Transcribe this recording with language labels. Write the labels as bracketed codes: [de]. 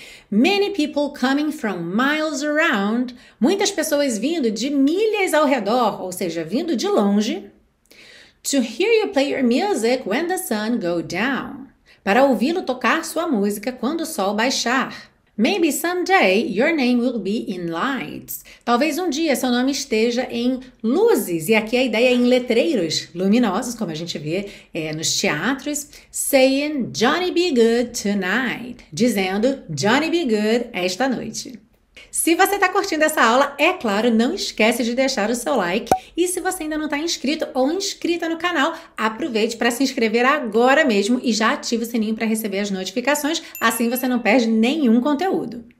[en] Many people coming from miles around. [pt] Muitas pessoas vindo de milhas ao redor, ou seja, vindo de longe. [en] To hear you play your music when the sun go down. [pt] Para ouvi-lo tocar sua música quando o sol baixar. [en] Maybe someday your name will be in lights. [pt] Talvez um dia seu nome esteja em luzes. E aqui a ideia é em letreiros luminosos, como a gente vê nos teatros. [en] Saying Johnny be good tonight. [pt] Dizendo Johnny be good esta noite. Se você está curtindo essa aula, é claro, não esquece de deixar o seu like. E se você ainda não está inscrito ou inscrita no canal, aproveite para se inscrever agora mesmo e já ative o sininho para receber as notificações, assim você não perde nenhum conteúdo.